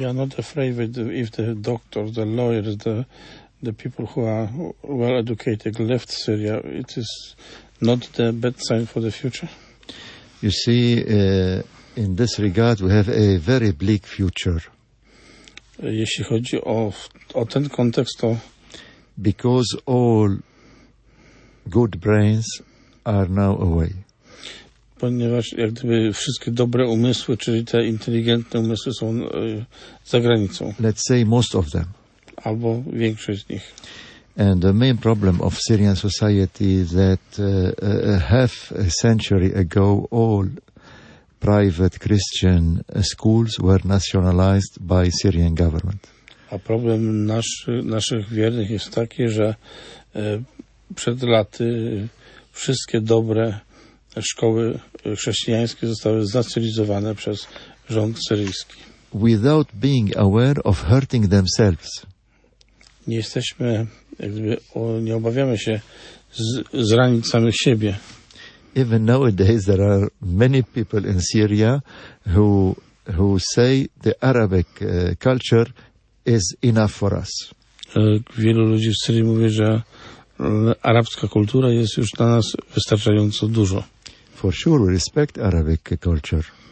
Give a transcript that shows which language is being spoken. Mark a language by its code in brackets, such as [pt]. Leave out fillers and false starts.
[en] Ja not afraid if the doctor, the lawyers, the people who are well educated left Syria. It is not the bad sign for the future. You see, in this regard, we have a very bleak future. [pl] Jeśli chodzi o ten kontekst, to [en] because all good brains are now away. [pl] Ponieważ jak gdyby wszystkie dobre umysły, czyli te inteligentne umysły, są za granicą. [en] Let's say most of them. [pl] Albo większość z nich. [en] And the main problem of Syrian society that half a century ago all private Christian schools were nationalized by Syrian government. [pl] A problem naszych wiernych jest taki, że przed laty wszystkie dobre szkoły chrześcijańskie zostały znacjonalizowane przez rząd syryjski. [en] Without being aware of hurting themselves. [pl] Nie jesteśmy, jak gdyby, nie obawiamy się zranić samych siebie. [en] Even nowadays there are many people in Syria who say the Arabic culture is enough for us. [pl] Wielu ludzi w Syrii mówi, że arabska kultura jest już dla nas wystarczająco dużo. [en] For sure we respect Arabic culture.